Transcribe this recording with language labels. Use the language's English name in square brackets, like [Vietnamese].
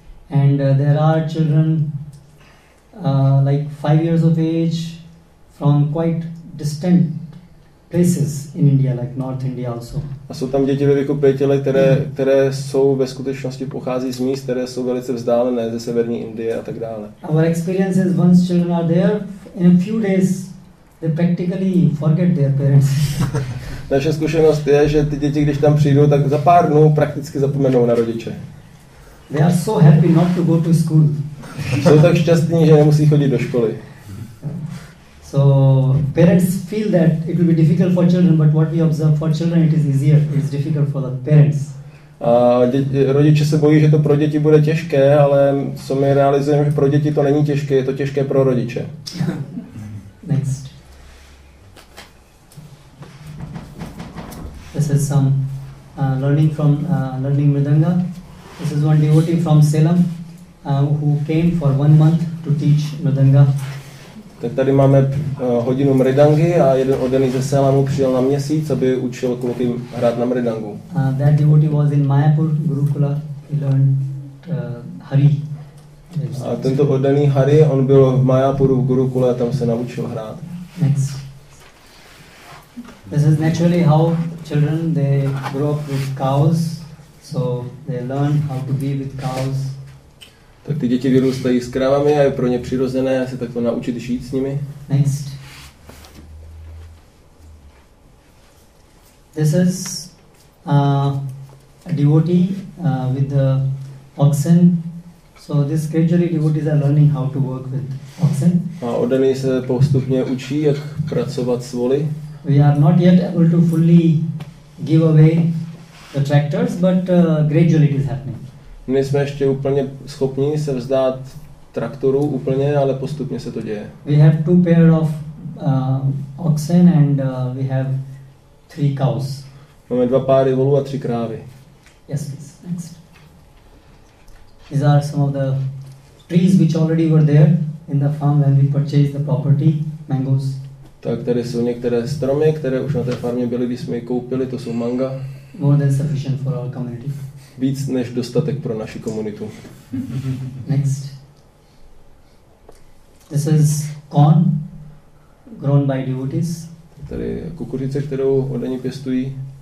[English] And there are children like 5 years of age from quite distant places in India, like North India also. [Czech] A jsou tam děti ve věku 5 let, které jsou ve skutečnosti pochází z míst, které jsou velice vzdálené ze severní Indie a tak dále. [English] Our experience is once children are there, in a few days they practically forget their parents. [Czech] Naše zkušenost je, že ty děti, když tam přijdou, tak za pár dnů prakticky zapomenou na rodiče. [English] They are so happy not to go to school. [Czech] Jsou tak šťastní, že nemusí chodit do školy. [English] So parents feel that it will be difficult for children, but what we observe for children it is easier. It's difficult for the parents. [Czech] Rodiče se bojí, že to pro děti bude těžké, ale co my realizujeme, že pro děti to není těžké, je to těžké pro rodiče. [English] Next. This is some learning from learning mridanga. This is one devotee from Salem who came for 1 month to teach mridanga. [Czech] Tak tady máme hodinu mridangy a jeden odený ze Salemu přijel na měsíc, aby učil kluky hrát na mridangu. [English] That devotee was in Mayapur, Gurukula. He learned Hari. [Czech] A tento odený Hari, on byl v Mayapuru, v Gurukula, tam se naučil hrát. [English] Next. This is naturally how children, they grow up with cows. So they learn how to be with cows. [Czech] Tak ty děti vyrůstají s krávami a je pro ně přirozené se takto naučit žít s nimi. [English] Next. This is a devotee with the oxen. So this gradually devotees are learning how to work with oxen. [Czech] A odený se postupně učí, jak pracovat s voly. [English] We are not yet able to fully give away the tractors, but gradually it is happening. [Czech] My jsme ještě úplně schopni se vzdát traktoru úplně, ale postupně se to děje. [English] We have two pair of oxen and we have three cows. [Czech] Máme dva páry volů a tři krávy. [English] Yes, please. Next. These are some of the trees which already were there in the farm when we purchased the property, mangoes. [Czech] Tak tady jsou některé stromy, které už na té farmě byly, když jsme je koupili, to jsou manga. [English] More than sufficient for our community. [Czech] Víc než dostatek pro naši komunitu. [English] Next. This is corn grown by devotees. [Czech] Tady je kukuřice, kterou odení pěstují.